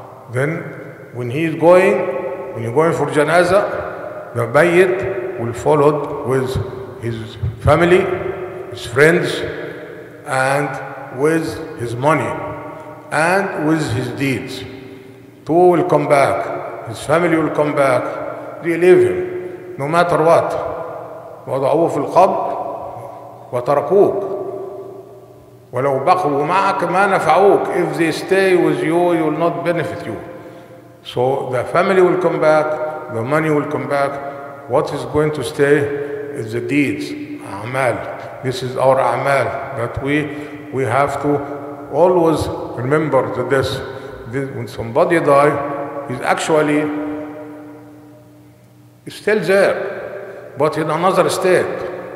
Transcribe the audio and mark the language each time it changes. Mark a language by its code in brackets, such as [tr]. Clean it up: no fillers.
[en] Then when he is going, when you're going for janaza, the bayit will followed with his family, his friends, and with his money, and with his deeds. Two will come back, his family will come back, they leave him, no matter what. [ar] وضعوه في القبر وتركوك ولو بقوا معك ما نفعوك. [en] If they stay with you, you will not benefit you. So the family will come back, the money will come back. What is going to stay is the deeds, أعمال. This is our أعمال that we have to always remember that this when somebody die, is actually still there, but in another state.